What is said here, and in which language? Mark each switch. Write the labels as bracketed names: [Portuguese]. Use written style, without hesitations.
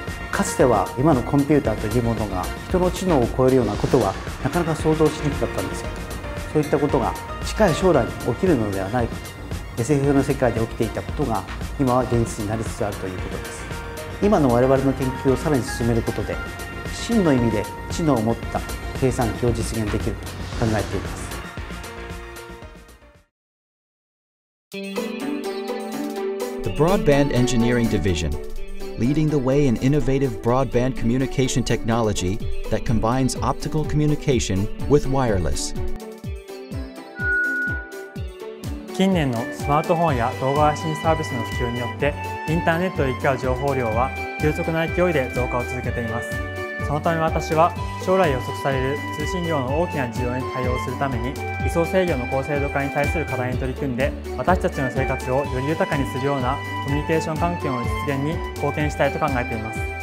[Japanese] かつては今のコンピューターというものが人の知能を超えるようなことはなかなか想像しにくかったんですけど、そういったことが近い将来に起きるのではないかと、 SF の世界で起きていたことが今は現実になりつつあるということです。今の我々の研究をさらに進めることで、真の意味で知能を持った計算機を実現できると考えています。 [English] Broadband Engineering Division, leading the way in innovative broadband communication technology that combines optical communication with wireless. [Japanese] 近年のスマートフォンや動画配信サービスの普及によって、インターネットで行き交う情報量は急速な勢いで増加を続けています。そのため私は、将来予測される通信量の大きな需要に対応するために、位相制御の高精度化に対する課題に取り組んで、私たちの生活をより豊かにするようなコミュニケーション環境の実現に貢献したいと考えています。